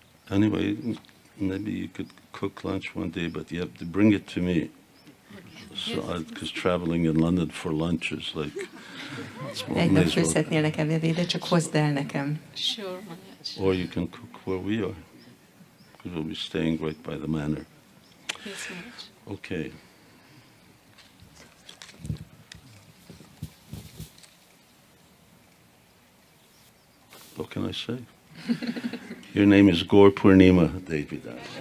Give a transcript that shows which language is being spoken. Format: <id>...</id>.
<en>Anyway, maybe you could cook lunch one day, but you have to bring it to me. So, because traveling in London for lunch is like.</en> <hu>Egy nap főzhetnél nekem, de csak hozd el nekem.</hu> <en>Sure, Manaj. Or you can cook where we are, because we'll be staying right by the manor. Yes, Manaj. Okay. What can I say? Your name is Gaur Purnima Devidas.</en>